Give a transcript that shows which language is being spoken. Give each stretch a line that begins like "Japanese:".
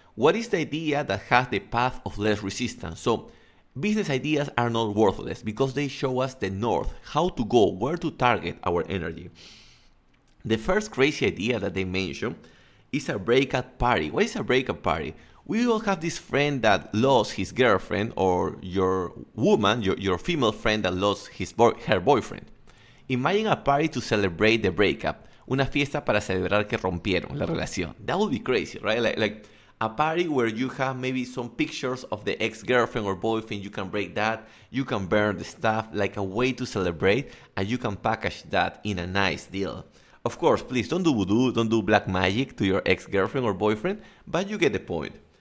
English: What is the idea that has the path of less resistance? So business ideas are not worthless because they show us the north, how to go, where to target our energy. The first crazy idea that they mention is a breakup party. What is a breakup party? We all have this friend that lost his girlfriend, or your woman, your female friend that lost her boyfriend. Imagine a party to celebrate the breakup.
Spanish: Una fiesta para celebrar que rompieron la relación.
English: That would be crazy, right? Like a party where you have maybe some pictures of the ex-girlfriend or boyfriend. You can break that. You can burn the stuff, like a way to celebrate. And you can package that in a nice deal. Of course, please don't do voodoo, don't do black magic to your ex-girlfriend or boyfriend, but you get the point.